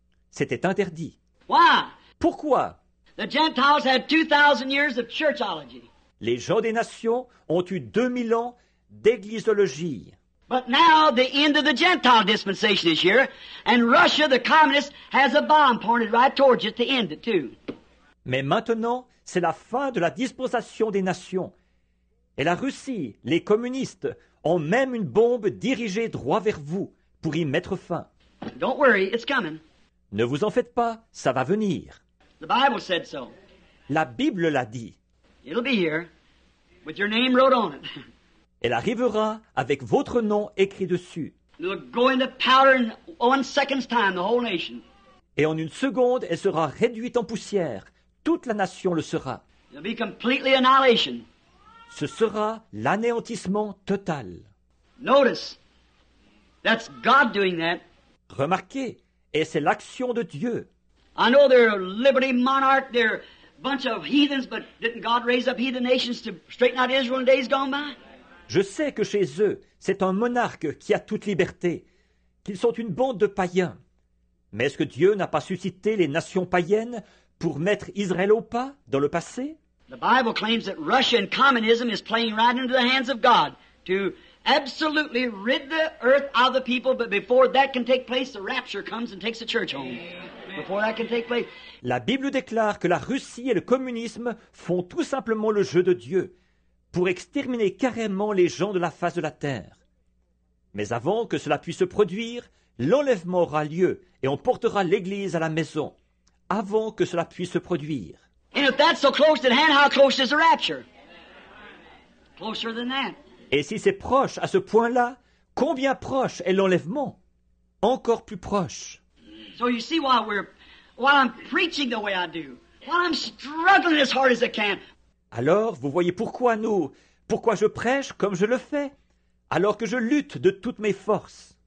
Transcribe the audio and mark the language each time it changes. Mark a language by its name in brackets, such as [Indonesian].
[French] C'était interdit. [English] Why? [French] Pourquoi? [English] The Gentiles had 2,000 years of churchology. [French] Les gens des nations ont eu 2,000 ans d'églisologie. [English] But now the end of the Gentile dispensation is here, and Russia, the communist, has a bomb pointed right towards it to end it too. [French] Mais maintenant, c'est la fin de la dispensation des nations. Et la Russie, les communistes, ont même une bombe dirigée droit vers vous pour y mettre fin. [English] Don't worry, it's coming. [French] Ne vous en faites pas, ça va venir. [English] The Bible said so. [French] La Bible l'a dit. [English] It'll be here, with your name wrote on it. [French] Elle arrivera avec votre nom écrit dessus. [English] It'll go into powder in 1 second's time, the whole nation. [French] Et en une seconde, elle sera réduite en poussière. Toute la nation le sera. [English] It'll be completely annihilation. [French] Ce sera l'anéantissement total. [English] Notice, that's God doing that. [French] Remarquez, et c'est l'action de Dieu. [English] I know they're a liberty monarch, they're a bunch of heathens, but didn't God raise up heathen nations to straighten out Israel in days gone by? [French] Je sais que chez eux, c'est un monarque qui a toute liberté, qu'ils sont une bande de païens. Mais est-ce que Dieu n'a pas suscité les nations païennes pour mettre Israël au pas dans le passé? [English] The Bible claims that Russia and communism is playing right into the hands of God to absolutely rid the earth of the people, but before that can take place, the rapture comes and takes the church home. Before that can take place. [French] La Bible déclare que la Russie et le communisme font tout simplement le jeu de Dieu pour exterminer carrément les gens de la face de la terre. Mais avant que cela puisse se produire, l'enlèvement aura lieu et on portera l'Église à la maison. Avant que cela puisse se produire. [English] And if that's so close at hand, how close is the rapture? Closer than that. [French] Et si c'est proche à ce point-là, combien proche est l'enlèvement? Encore plus proche. [English] So you see why I'm preaching the way I do, why I'm struggling as hard as I can. [French] Alors, vous voyez pourquoi je prêche comme je le fais, alors que je lutte de toutes mes forces.